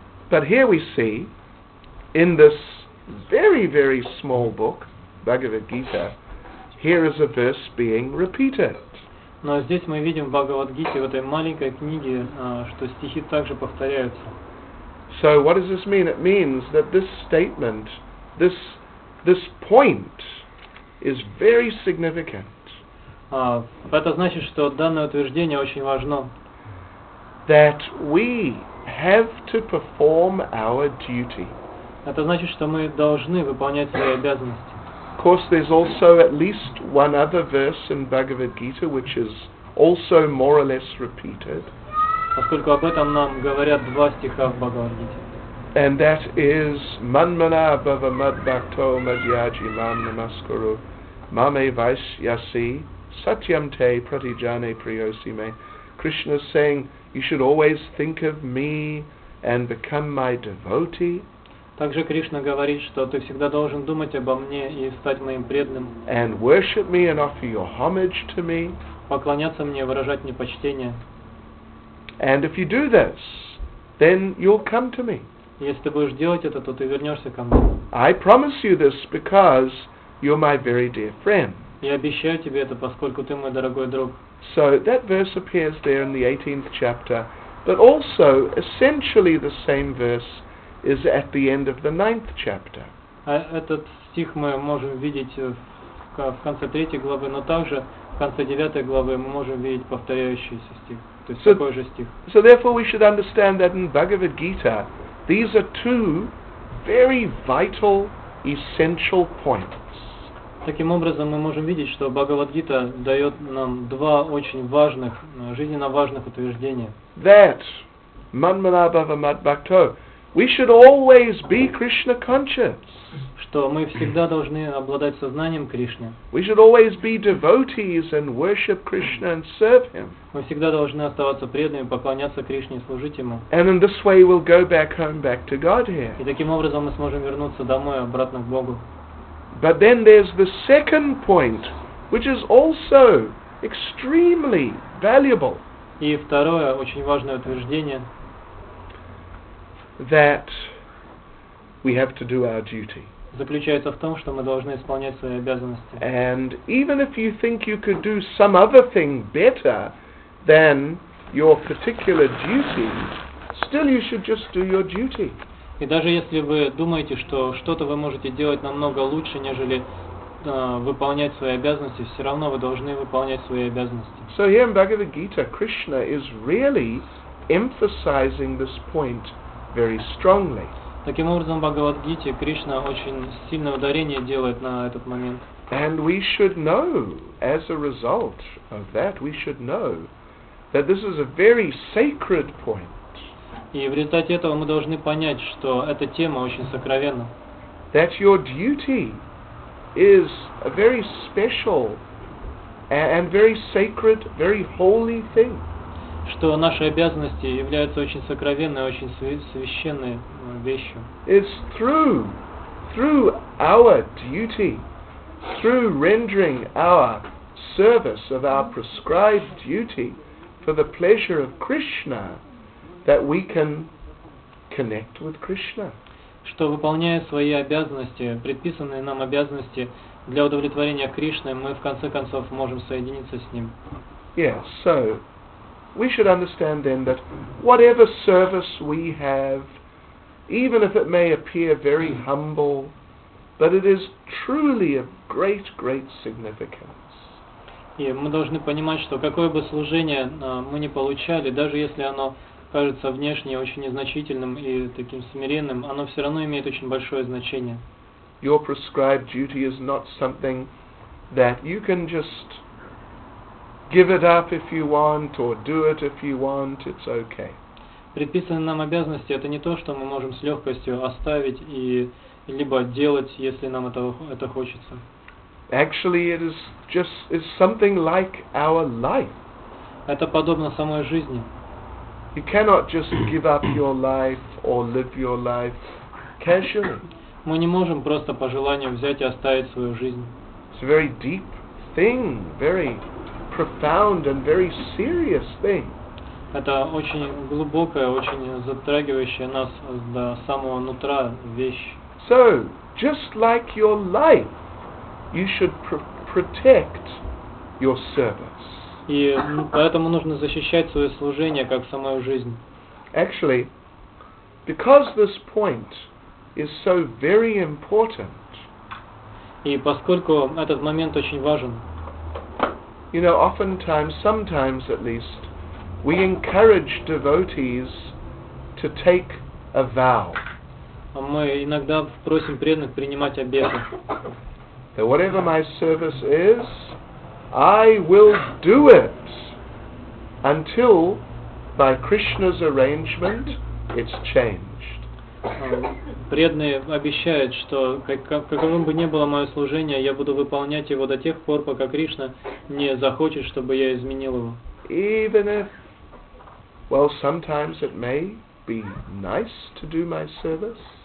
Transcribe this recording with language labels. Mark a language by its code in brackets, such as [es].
[en] But here we see in this very, very small book, Bhagavad Gita, here is a verse being repeated. [ru] Но здесь мы видим в Бхагавад Гите, в этой маленькой книге, что стихи также повторяются. [en] So what does this mean? It means that this statement, this point is very significant. [ru] Это значит, что данное утверждение очень важно. [en] That we have to perform our duty. [ru] Это значит, что мы должны выполнять свои обязанности. [en] Of course, there's also at least one other verse in Bhagavad Gita, which is also more or less repeated. [ru] Поскольку об этом нам говорят два стиха в Бхагавад-гите. [en] And that is [sa] Manmana Bhava Mad Bhakto Madhyaji Mam Namaskuru Mame Vaisyasi Satyam Te Pratijane Priyosime. [en] Krishna is saying, you should always think of me and become my devotee. [ru] Также Кришна говорит, что ты всегда должен думать обо мне и стать моим преданным. [en] And worship me and offer your homage to me. [ru] Поклоняться мне, выражать мне почтение. [en] And if you do this, then you'll come to me. [ru] Если ты будешь делать это, то ты вернешься ко мне. [en] I promise you this because you're my very dear friend. [ru] Я обещаю тебе это, поскольку ты мой дорогой друг. [en] So that verse appears there in the 18th chapter, but also essentially the same verse is at the end of the 9th chapter. [ru] Этот стих мы можем видеть в конце 3 главы, но также в конце 9 главы мы можем видеть повторяющийся стих. [en] So therefore we should understand that in Bhagavad Gita these are two very vital essential points. [ru] Таким образом мы можем видеть, что Бхагавад Гита дает нам два очень важных, жизненно важных утверждения. [en] That [sa] Manmanabhava Madbhakto, [en] we should always be Krishna conscious. [ru] Что мы всегда должны обладать сознанием Кришны. [en] We should always be devotees and worship Krishna and serve Him. [ru] Мы всегда должны оставаться преданными, поклоняться Кришне и служить Ему. [en] And in this way we'll go back home, back to Godhead. [ru] И таким образом мы сможем вернуться домой, обратно к Богу. [en] But then there's the second point, which is also extremely valuable. [ru] И второе очень важное утверждение. [en] That we have to do our duty. [ru] Заключается в том, что мы должны исполнять свои обязанности. [en] And even if you think you could do some other thing better than your particular duty, still you should just do your duty. [ru] И даже если вы думаете, что что-то вы можете делать намного лучше, нежели выполнять свои обязанности, все равно вы должны выполнять свои обязанности. [en] So here in Bhagavad Gita, Krishna is really emphasizing this point very strongly. [ru] Таким образом, в Бхагавад-гите Кришна очень сильное ударение делает на этот момент. [en] And we should know, as a result of that, we should know that this is a very sacred point. [ru] И в результате этого мы должны понять, что эта тема очень сокровенна. [en] That your duty is a very special and very sacred, very holy thing. [ru] Что наши обязанности являются очень сокровенной, очень священной вещью. [en] It's through our duty, through rendering our service of our prescribed duty for the pleasure of Krishna, that we can connect with Krishna. [ru] Что выполняя свои обязанности, предписанные нам обязанности для удовлетворения Кришны, мы в конце концов можем соединиться с Ним. [en] So we should understand then that whatever service we have, even if it may appear very humble, but it is truly of great, great significance. [ru] И мы должны понимать, что какое бы служение мы ни получали, даже если оно кажется внешне очень незначительным и таким смиренным, оно все равно имеет очень большое значение. [en] Your prescribed duty is not something that you can just give it up if you want, or do it if you want, it's okay. [ru] Предписанные нам обязанности — это не то, что мы можем с легкостью оставить и либо делать, если нам это хочется. [en] Actually, it is just it's something like our life. [ru] Это подобно самой жизни. [en] You cannot just give up your life or live your life casually. [ru] Мы не можем просто по желанию взять и оставить свою жизнь. [en] It's a very deep thing, very profound and very serious thing. [ru] Это очень глубокая, очень затрагивающая нас до самого нутра вещь. [en] So, just like your life, you should protect your service. [ru] И поэтому нужно защищать свое служение как самую жизнь. [en] Actually, because this point is so very important. [ru] И поскольку этот момент очень важен. [en] You know, oftentimes, sometimes at least, we encourage devotees to take a vow. [ru] Мы иногда просим преданных принимать обеты. [en] That whatever my service is, I will do it until, by Krishna's arrangement, it's changed. [ru] Преданные обещают, что каковым бы ни было мое служение, я буду выполнять его до тех пор, пока Кришна не захочет, чтобы я изменил его. [en] Even if, well, sometimes it may be nice to do my service.